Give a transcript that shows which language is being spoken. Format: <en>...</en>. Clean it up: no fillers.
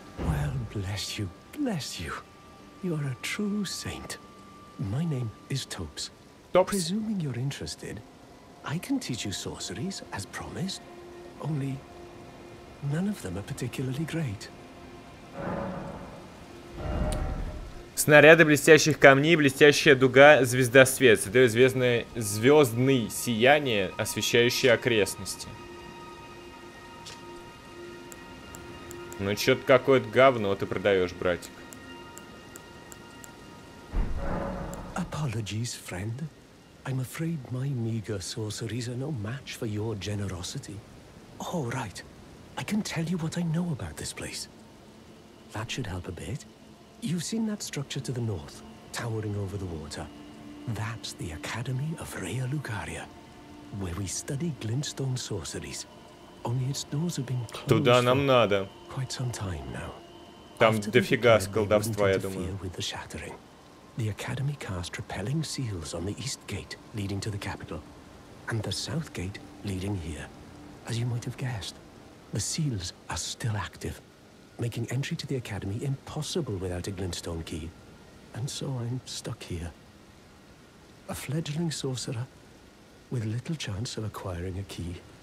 <en>Well, bless you, bless you. You're a true saint. My name is Topes. Topes. Presuming you're interested, I can teach you sorceries, as promised. Only, none of them are particularly great.</en> <ru>Снаряды блестящих камней, блестящая дуга, звезда свет. Это известное звездное сияние, освещающее окрестности. Ну чё-то какое-то говно ты продаешь, братик.</ru> <en>Apologies, friend. I'm afraid my meager sorceries are no match for your generosity. All right. I can tell you what I know about this place. That should help a bit. You've seen that structure to the north, towering over the water. That's the Academy of Rhea Lucaria, where we study glintstone sorceries. Only its doors have been closed for quite some time now.</en> <ru>Там дофига с колдовства, я думаю.</ru> <en>The Academy cast repelling seals on the east gate leading to the capital, and the south gate leading here. As you might have guessed, the seals are still active, making entry to the Academy impossible without a glintstone key. And so I'm stuck here. A fledgling sorcerer with little chance of acquiring a key.</en>